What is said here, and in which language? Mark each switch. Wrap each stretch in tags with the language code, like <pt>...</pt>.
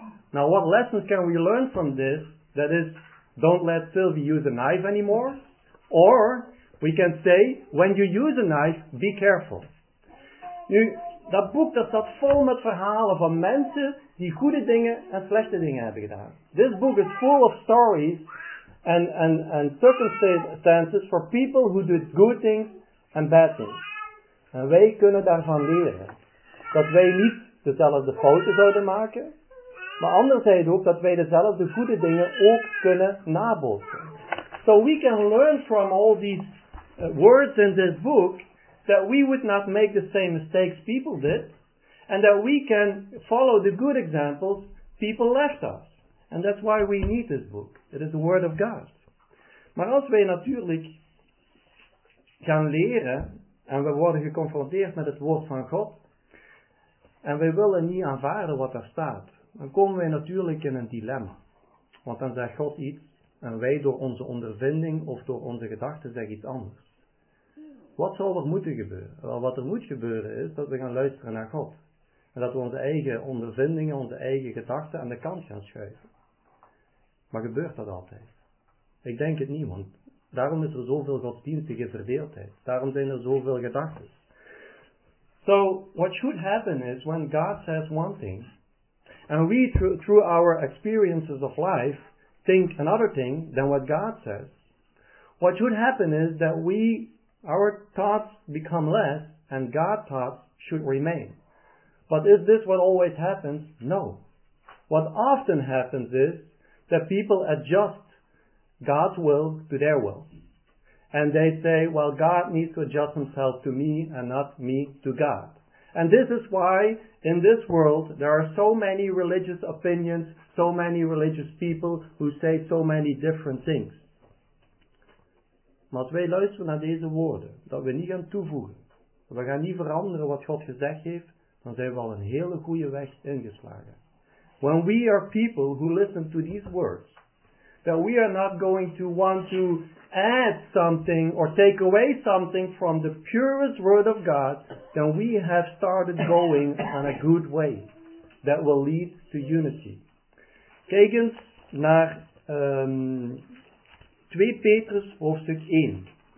<en>Now, what lessons can we learn from this? That is, don't let Sylvie use a knife anymore. Or, we can say, when you use a knife, be careful.</en> <nl>Nu, dat boek dat staat vol met verhalen van mensen die goede dingen en slechte dingen hebben gedaan.</nl> <en>This book is full of stories and circumstances for people who did good things and bad things.</en> <nl>En wij kunnen daarvan leren. Dat wij niet dezelfde fouten zouden maken. Maar anderzijds ook dat wij dezelfde goede dingen ook kunnen nabootsen.</nl> <en>So we can learn from all these words in this book that we would not make the same mistakes people did. And that we can follow the good examples people left us. And that's why we need this book. It is the word of God.</en> <nl>Maar als wij natuurlijk gaan leren en we worden geconfronteerd met het woord van God. En we willen niet aanvaarden wat daar staat. Dan komen wij natuurlijk in een dilemma. Want dan zegt God iets en wij door onze ondervinding of door onze gedachten zeggen iets anders. Wat zou er moeten gebeuren? Wel, wat er moet gebeuren is dat we gaan luisteren naar God. En dat we onze eigen ondervindingen, onze eigen gedachten aan de kant gaan schuiven. Maar gebeurt dat altijd? Ik denk het niet, want daarom is er zoveel godsdienstige verdeeldheid. Daarom zijn er zoveel gedachten.</nl> <en>So, what should happen is when God says one thing, and we, through our experiences of life, think another thing than what God says, what should happen is that we, our thoughts become less, and God's thoughts should remain. But is this what always happens? No. What often happens is that people adjust God's will to their will. And they say, well, God needs to adjust himself to me and not me to God. And this is why in this world there are so many religious opinions, so many religious people who say so many different things.</en> <nl>Maar als wij luisteren naar deze woorden, dat we niet gaan toevoegen, dat we gaan niet veranderen wat God gezegd heeft, dan zijn we al een hele goede weg ingeslagen.</nl> <en>When we are people who listen to these words, that we are not going to want to add something or take away something from the purest word of God, then we have started going on a good way that will lead to unity.</en> <nl>Kijkend naar 2 Petrus hoofdstuk 1.</nl>